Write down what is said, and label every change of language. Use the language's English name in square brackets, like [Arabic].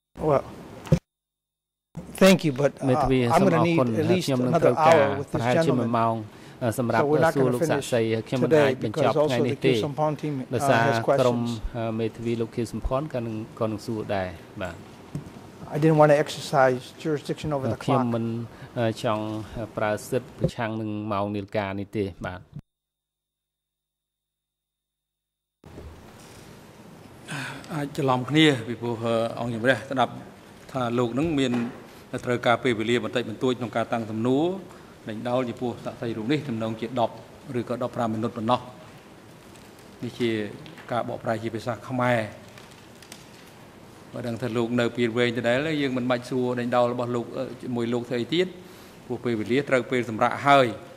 [English] Well, thank you, but I'm going to need at least another hour with this gentleman. [Khmer] សម្រាប់ទទួលលោកសាស្ត្រីខ្ញុំមិនអាចបញ្ចប់ថ្ងៃនេះទេដោយសារក្រុមមេធាវីលោកខៀវសំផនក៏នឹងសួរដែរបាទ [English] I didn't want to exercise jurisdiction over the clock. [Khmer] ខ្ញុំមិនចង់ប្រើសិទ្ធិប្រឆាំងនឹងម៉ោងនាឡិកានេះទេបាទ អាចច្រឡំគ្នាពីព្រោះអង្គជំរះស្ដាប់ថាលោកនឹងមានត្រូវការពេលវេលាបន្តិចបន្តួចក្នុងការតាំងសំណួរដេញដោលចំពោះសាស្ត្រីរូបនេះចំណងជា10ឬក៏15មិនិតប៉ុណ្ណោះនេះជាការបកប្រែជាភាសាខ្មែរបាទដឹងថាលោកនៅពីវែងដដែលយើងមិនបាច់សួរដេញដោលរបស់លោកជាមួយលោកស្អីទៀតព្រោះពេលវេលាត្រូវពេលសម្រាប់ហើយ